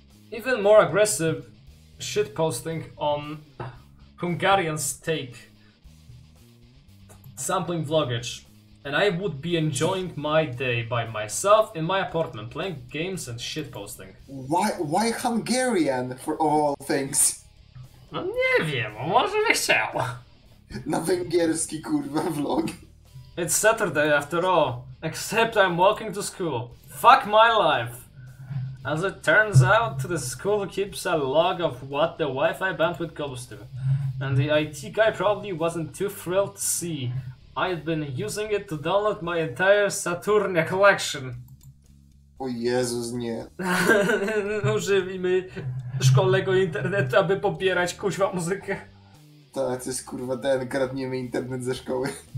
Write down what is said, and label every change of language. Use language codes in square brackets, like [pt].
[en] Even more aggressive shitposting on Hungarian steak sampling vloggage. And I would be enjoying my day by myself in my apartment playing games and shitposting. Why Hungarian, for all things? [pl] No nie wiem, może bym chciał. Na węgierski, kurwa, vlog. [en] It's Saturday after all, except I'm walking to school. Fuck my life! As it turns out, the school keeps a log of what the Wi-Fi bandwidth goes to. And the IT guy probably wasn't too thrilled to see. I'd been using it to download my entire Saturnia collection. [pl] O Jezus, nie. Używimy szkolnego internetu, aby pobierać kuźwa muzykę. Tak, to jest kurwa ten, kradniemy internet ze szkoły.